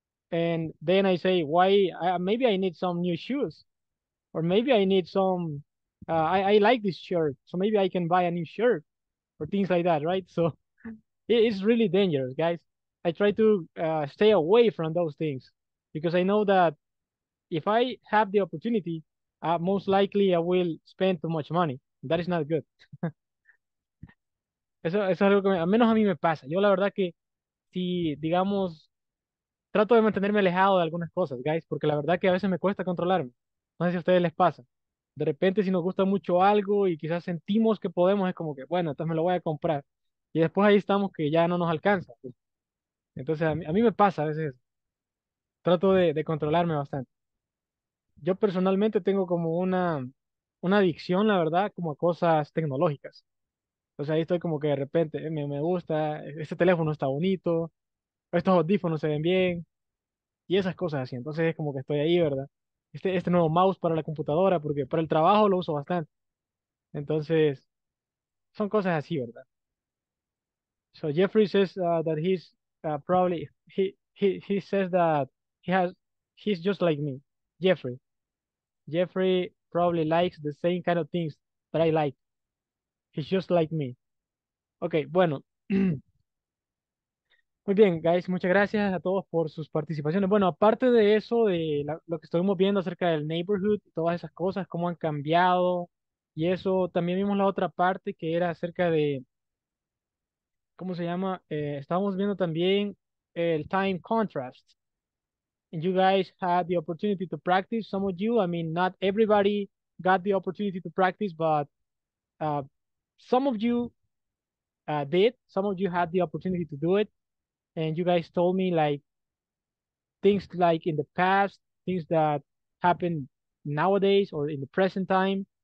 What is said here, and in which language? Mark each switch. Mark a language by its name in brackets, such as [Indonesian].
[English] And then I say, maybe I need some new shoes, or maybe I need some, I like this shirt, so maybe I can buy a new shirt, or things like that, right? So it's really dangerous, guys. I try to stay away from those things, because I know that if I have the opportunity, most likely I will spend too much money. That is not good. [Spanish] Eso es algo que, al menos a mí me pasa. Yo la verdad que, si digamos, trato de mantenerme alejado de algunas cosas, guys, porque la verdad que a veces me cuesta controlarme. No sé si a ustedes les pasa. De repente, si nos gusta mucho algo y quizás sentimos que podemos, es como que, bueno, entonces me lo voy a comprar. Y después ahí estamos que ya no nos alcanza. Entonces, a mí me pasa a veces. Trato de controlarme bastante. Yo personalmente tengo como una adicción, la verdad, como a cosas tecnológicas. O sea, ahí estoy como que de repente, me gusta, este teléfono está bonito, estos audífonos se ven bien, y esas cosas así. Entonces es como que estoy ahí, ¿verdad? Este nuevo mouse para la computadora, porque para el trabajo lo uso bastante. Entonces, son cosas así, ¿verdad? [English] So Jeffrey says that he's probably, he says that he's just like me, Jeffrey. Jeffrey probably likes the same kind of things that I like. He's just like me. Okay, [Spanish] bueno. Muy bien, guys, muchas gracias a todos por sus participaciones. Bueno, aparte de eso, de lo que estuvimos viendo acerca del neighborhood, todas esas cosas, cómo han cambiado, y eso, también vimos la otra parte que era acerca de, ¿cómo se llama? Estábamos viendo también el time contrast. [English] And you guys had the opportunity to practice, some of you, I mean, not everybody got the opportunity to practice, but some of you did, some of you had the opportunity to do it. And you guys told me like things like in the past, things that happen nowadays or in the present time.